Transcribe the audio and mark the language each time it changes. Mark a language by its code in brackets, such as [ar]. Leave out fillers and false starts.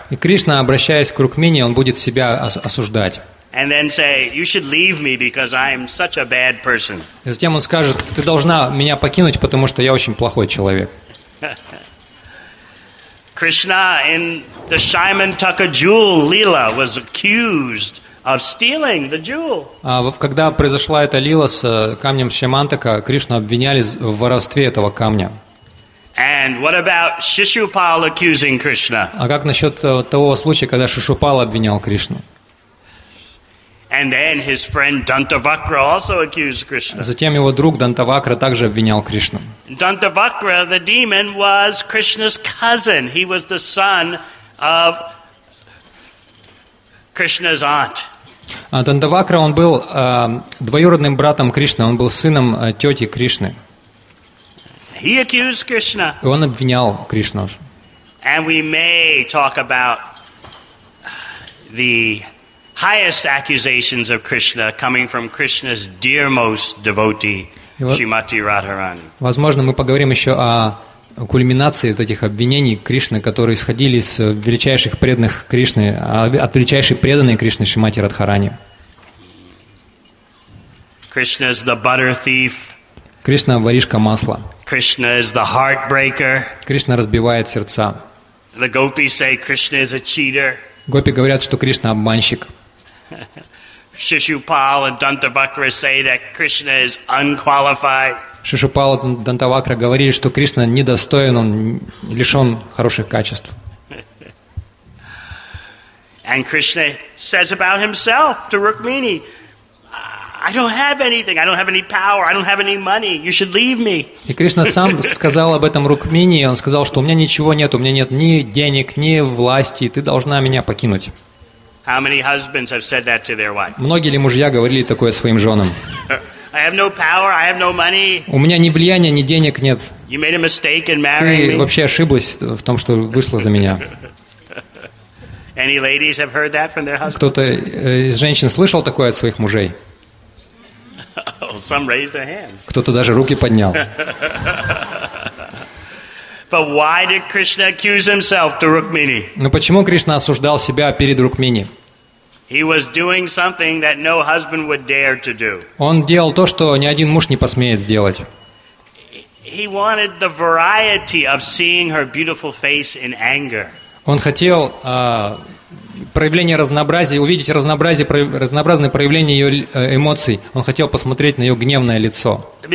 [ru] И Кришна, обращаясь к Рукмини, он будет себя осуждать. [en] And then say, "You should leave me because I'm such a bad person." [ru] И затем он скажет: "Ты должна меня покинуть, потому что я очень плохой человек." [en] Krishna, in the Shyamantaka jewel lila, was accused of stealing the jewel. [ru] А когда произошла эта лила с камнем Шьямантака, Кришну обвиняли в воровстве этого камня. [en] And what about Shishupal accusing Krishna? [ru] А как насчет того случая, когда Шишупал обвинял Кришну? [en] And then his friend Dantavakra also accused Krishna. [ru] Затем его друг Дантавакра также обвинял Кришну. [en] Dantavakra, the demon, was Krishna's cousin. He was the son of Krishna's aunt. [ru] Дантавакра, он был двоюродным братом Кришны. Он был сыном тети Кришны. [en] He accused Krishna. [ru] И он обвинял Кришну. [en] And we may talk about the highest accusations of Krishna coming from Krishna's dearmost devotee. [ru] Шримати Радхарани. Возможно, мы поговорим еще о кульминации вот этих обвинений Кришны, которые исходили с величайших преданных Кришны, от величайшей преданной Кришны Шримати Радхарани. [en] Krishna is the butter thief. [ru] Кришна – воришка масла. [en] Krishna is the heartbreaker. [ru] Кришна разбивает сердца. [en] The gopis say Krishna is a cheater. [ru] Гопи говорят, что Кришна – обманщик. [en] Шишупал и Дантавакра say that Krishna is unqualified. [ru] Шишупал и Дантавакра говорили, что Кришна недостоин, он лишен хороших качеств. [en] And Krishna says about himself to Rukmini, I don't have anything. I don't have any power. I don't have any money. You should leave me. [ru] И Кришна сам сказал об этом Рукмини. Он сказал, что у меня ничего нет. У меня нет ни денег, ни власти. Ты должна меня покинуть. [en] How many husbands have said that to their wife? [ru] Многие ли мужья говорили такое своим женам? [en] I have no power. I have no money. [ru] У меня ни влияния, ни денег нет. [en] You made a mistake in marrying me. [ru] Ты вообще ошиблась в том, что вышла за меня. [en] Any ladies have heard that from their husbands? [ru] Кто-то из женщин слышал такое от своих мужей? [en] Some raised their hands. [ru] Кто-то даже руки поднял. [en] But why did Krishna accuse himself to Rukmini? [ru] Но почему Кришна осуждал себя перед Рукмини? [en] He was doing something that no husband would dare to do. [ru] Он делал то, что ни один муж не посмеет сделать. [en] He wanted the variety of seeing her beautiful face in anger. [ru] Он хотел проявление разнообразия, увидеть разнообразие, разнообразное проявление ее эмоций. Он хотел посмотреть на ее гневное лицо.